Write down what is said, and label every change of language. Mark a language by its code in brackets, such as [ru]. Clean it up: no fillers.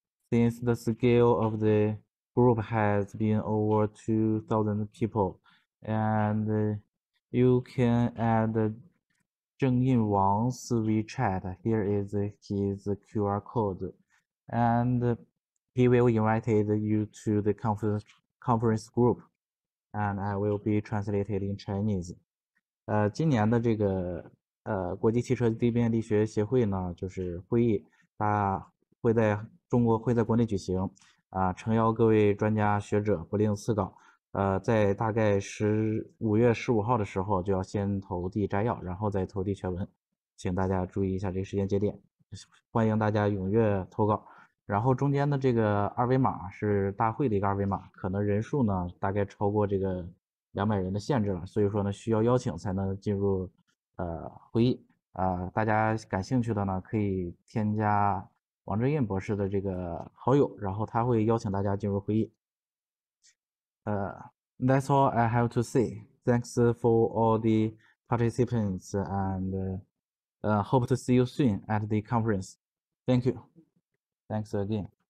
[en] Since the scale of the group has been over 2,000 people, and you can add Zhengyin Wang's WeChat. Here is his QR code, and he will invite you to the conference group, and I will be translated in Chinese. [zh] 今年的这个国际汽车地面力学协会呢，就是会议，它会在中国会在国内举行。诚邀各位专家学者不吝赐稿，在大概5月15号的时候就要先投递摘要，然后再投递全文，请大家注意一下这个时间节点，欢迎大家踊跃投稿。然后中间的这个二维码是大会的一个二维码，可能人数呢大概超过这个200人的限制了，所以说呢需要邀请才能进入会议。大家感兴趣的呢可以添加王振印博士的这个好友，然后他会邀请大家进入会议。 [en] That's all I have to say. Thanks for all the participants and hope to see you soon at the conference. Thank you. Thanks again.